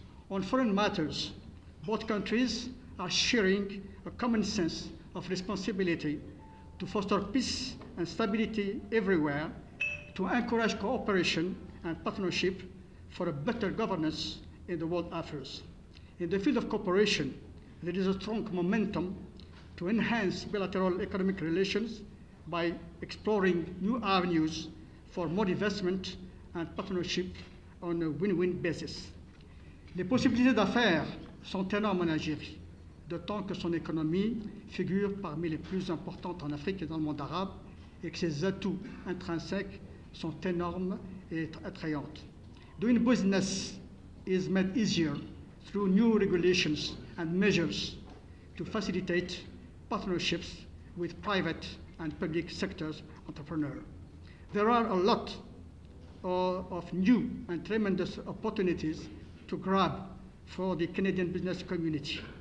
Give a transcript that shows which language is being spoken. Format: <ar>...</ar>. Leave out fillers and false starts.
<en>On foreign matters, both countries are sharing a common sense of responsibility to foster peace and stability everywhere, to encourage cooperation and partnership for a better governance in the world affairs. In the field of cooperation, there is a strong momentum to enhance bilateral economic relations by exploring new avenues for more investment and partnership on a win-win basis.</en> <fr>Les possibilités d'affaires sont énormes en Algérie, d'autant que son économie figure parmi les plus importantes en Afrique et dans le monde arabe et que ses atouts intrinsèques sont énormes et attrayants.</fr> <en>Doing business is made easier through new regulations and measures to facilitate partnerships with private and public sectors entrepreneurs. There are a lot of new and tremendous opportunities to grab for the Canadian business community.</en>